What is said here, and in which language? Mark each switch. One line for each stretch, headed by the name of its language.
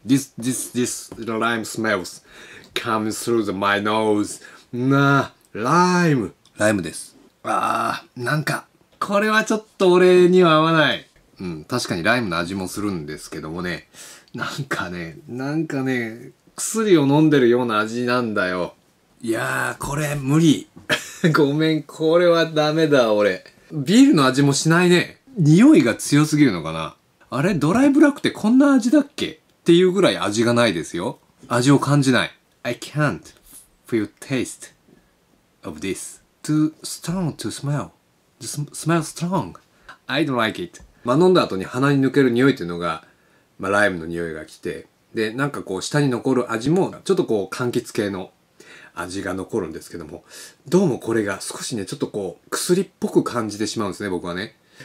English: This lime smells coming through my nose.
Japanese: なあ、ライム。ライムです。なんか、これはちょっと俺には合わない。確かにライムの味もするんですけどもね。なんかね、薬を飲んでるような味なんだよ。いやー、これ無理。ごめん、これはダメだ、俺。ビールの味もしないね。匂いが強すぎるのかな。あれ、ドライブラックってこんな味だっけっていうぐらい味がないですよ。味を感じない。
English: I can't feel taste of this. Too strong to smell. Smell strong. I don't like it.
Japanese: まあ、飲んだ後に鼻に抜ける匂いっていうのが、まあ、ライムの匂いが来て、で、なんかこう、舌に残る味も、ちょっとこう、柑橘系の味が残るんですけども、どうもこれが少しね、ちょっとこう、薬っぽく感じてしまうんですね、僕はね。